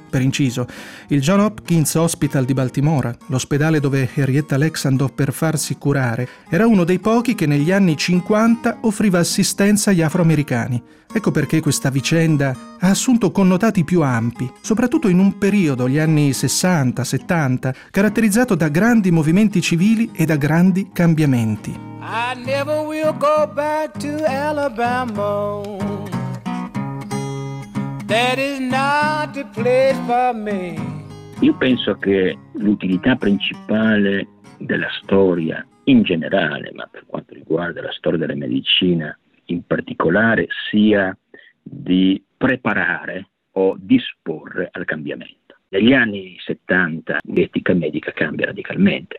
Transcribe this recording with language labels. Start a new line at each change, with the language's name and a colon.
Italian: Per inciso, il John Hopkins Hospital di Baltimora, l'ospedale dove Henrietta Lex andò per farsi curare, era uno dei pochi che negli anni 50 offriva assistenza agli afroamericani. Ecco perché questa vicenda ha assunto connotati più ampi, soprattutto in un periodo, gli anni 60-70, caratterizzato da grandi movimenti civili e da grandi cambiamenti.
English: I never will go back to Alabama. That is not the place for me.
Italian: Io penso che l'utilità principale della storia in generale, ma per quanto riguarda la storia della medicina in particolare, sia di preparare o disporre al cambiamento. Negli anni 70 l'etica medica cambia radicalmente.